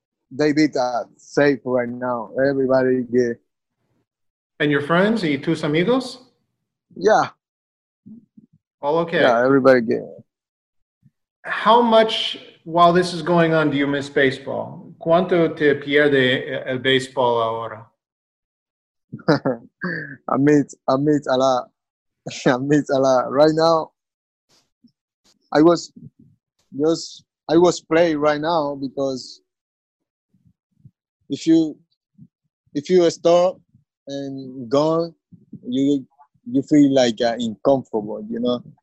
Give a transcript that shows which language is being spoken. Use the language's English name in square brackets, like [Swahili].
[English] they beat us safe right now. Everybody good. And your friends? Are you [Spanish] tus amigos? [English] Yeah. All okay. Yeah, everybody good. How much, while this is going on, do you miss baseball? [Spanish] ¿Cuánto te pierde el baseball ahora? [English] I miss a lot. Right now, I was playing right now because if you stop and gone, you feel like uncomfortable, you know.